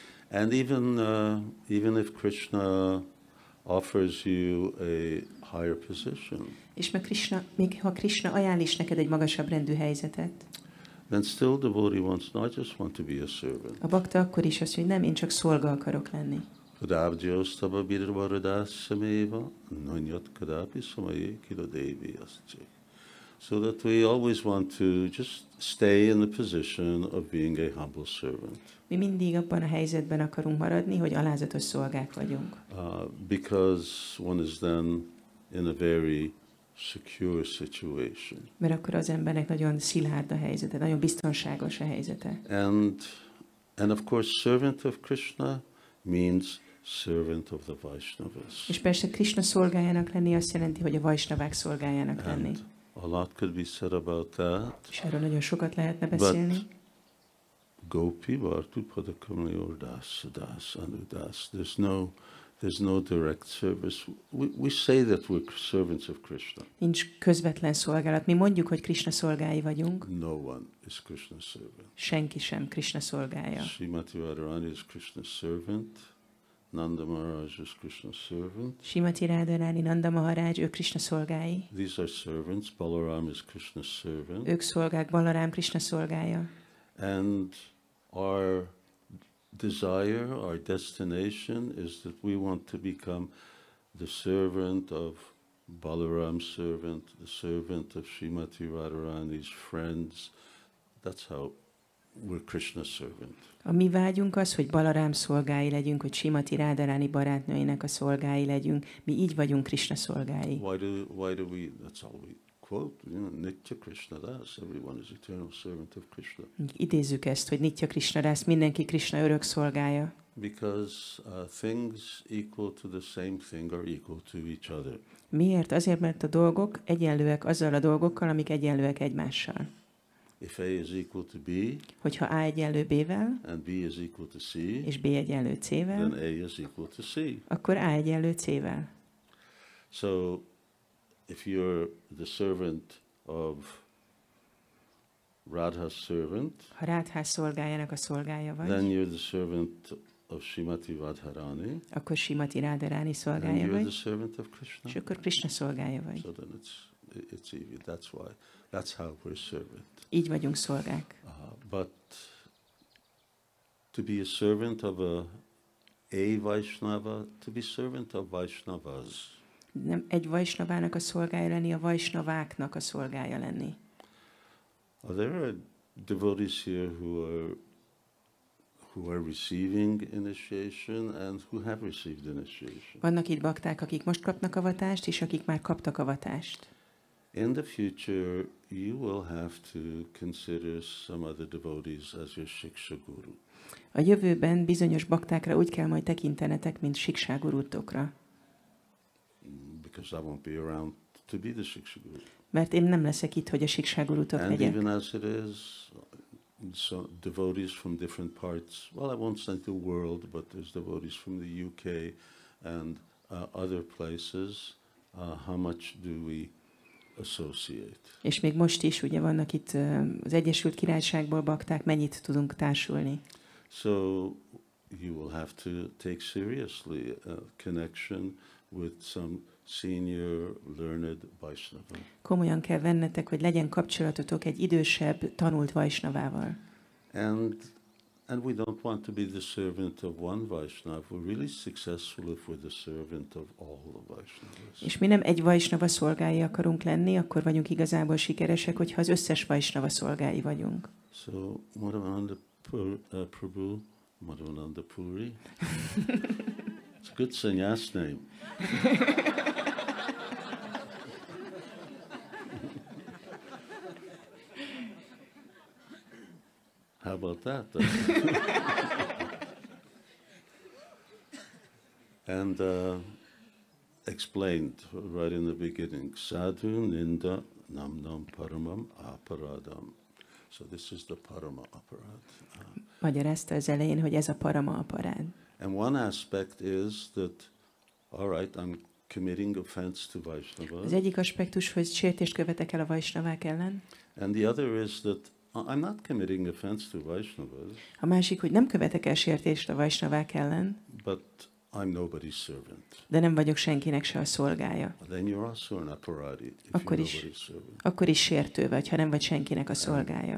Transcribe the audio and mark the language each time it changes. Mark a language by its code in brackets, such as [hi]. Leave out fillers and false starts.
[en] And even if Krishna offers you a higher position. [hu] És meg Krishna, még ha Krishna ajánl is neked egy magasabb rendű helyzetet. [en] Then still the devotee wants, no, I just want to be a servant. [hu] A bhakta akkor is azt, hogy nem, én csak szolga akarok lenni. [sa] Kudabjyostaba birvaradasameva, nanyat kadapi samaye kilodevi asce. [en] So that we always want to just stay in the position of being a humble servant. [hu] Mi mindig abban a helyzetben akarunk maradni, hogy alázatos szolgák vagyunk. [en] Because one is then in a very secure situation. [hu] Mert akkor az embernek nagyon szilárd a helyzete, nagyon biztonságos a helyzete. [en] And of course, servant of Krishna means servant of the Vaiṣṇavas. [hu] És persze Krishna szolgájának lenni azt jelenti, hogy a Vaiṣṇavák szolgájának lenni. [en] A lot could be said about that. [hu] És erről nagyon sokat lehetne beszélni. [sa] Gopi vartu pada kamlayor das, anudas. [en] There's no There's no direct service. We say that we're servants of Krishna. [hu] Nincs közvetlen szolgálat. Mi mondjuk, hogy Krishna szolgái vagyunk. [en] No one is Krishna's servant. [hu] Senki sem Krishna szolgája. [en] Srimati Radharani is Krishna's servant. Nanda Maharaj is Krishna's servant. [hu] Srimati Radharani, Nanda Maharaj, ők Krishna szolgái. [en] These are servants. Balaram is Krishna's servant. [hu] Ők szolgák, Balaram Krishna szolgája. [en] And our desire, our destination is that we want to become the servant of Balaram's servant, the servant of Srimati Radharani's friends. That's how we're Krishna's servant. [hu] A mi vágyunk az, hogy Balaram szolgái legyünk, hogy Srimati Radharani barátnőjének a szolgái legyünk. Mi így vagyunk Krishna szolgái. [en] Why do we, that's all we quote, you know, [sa] Nitya Krishna Das, [en] everyone is eternal servant of Krishna. [hu] Idézzük ezt, hogy [sa] Nitya Krishna Das, [hu] mindenki Krishna örök szolgája. [en] Because things equal to the same thing are equal to each other. [hu] Miért? Azért, mert a dolgok egyenlőek azzal a dolgokkal, amik egyenlőek egymással. [en] If A is equal to B, [hu] hogyha A egyenlő B-vel, [en] and B is equal to C, [hu] és B egyenlő C-vel, [en] then A is equal to C. [hu] Akkor A egyenlő C-vel. [en] So, if you're the servant of Radha's servant, [hu] ha Radha szolgájának a szolgája vagy, [en] then you're the servant of Srimati Radharani, [hu] akkor Srimati Radharani szolgája vagy, [en] and you're the servant of Krishna, [hu] és akkor Krishna szolgája vagy. [en] So then it's easy. That's why. That's how we're servant. [hu] Így vagyunk szolgák. [en] But to be a servant of a Vaishnava, to be servant of Vaishnavas. [hu] Nem egy Vaishnavának a szolgája lenni, a Vaishnaváknak a szolgája lenni. [en] Are there devotees here who are receiving initiation and who have received initiation? [hu] Vannak itt bakták, akik most kapnak avatást, és akik már kaptak avatást. [en] In the future, you will have to consider some other devotees as your shiksha guru. [hu] A jövőben bizonyos baktákra úgy kell majd tekintenetek, mint shiksha gurutokra. [en] Because I won't be around to be the shiksha guru. [hu] Mert én nem leszek itt, hogy a shiksha gurutok legyek. [en] And even as it is, so devotees from different parts. Well, I won't say the world, but there's devotees from the UK and other places. How much do we associate? [hu] És még most is, ugye vannak itt az Egyesült Királyságból bakták, mennyit tudunk társulni? [en] So you will have to take seriously a connection with some senior learned Vaishnava. [hu] Komolyan kell vennetek, hogy legyen kapcsolatotok egy idősebb tanult Vaishnavával. [en] And we don't want to be the servant of one Vaishnava. We're really successful if we're the servant of all the Vaishnavas. [hu] És mi nem egy Vaishnava szolgái akarunk lenni, akkor vagyunk igazából sikeresek, hogyha az összes Vaishnava szolgái vagyunk. [en] So, Mādhavanada Prabhu, Mādhavanada Puri. It's a good sannyas name. How about that? And explained right in the beginning, [sa] sadhu ninda namnam paramam aparadam. [en] So this is the parama aparad. [hu] Magyarázta az elején, hogy ez a parama aparad. [en] And one aspect is that, all right, I'm committing offense to Vaishnava. [hu] Az egyik aspektus, hogy sértést követek el a Vaishnavák ellen. [en] And the other is that I'm not committing offense to Vaishnavas. [hu] A másik, hogy nem követek el sértést a Vaishnavák ellen. [en] But I'm nobody's servant. [hu] De nem vagyok senkinek se a szolgája. [en] Then you're also an aparadi. [hu] Akkor is sértő vagy, ha nem vagy senkinek a szolgája.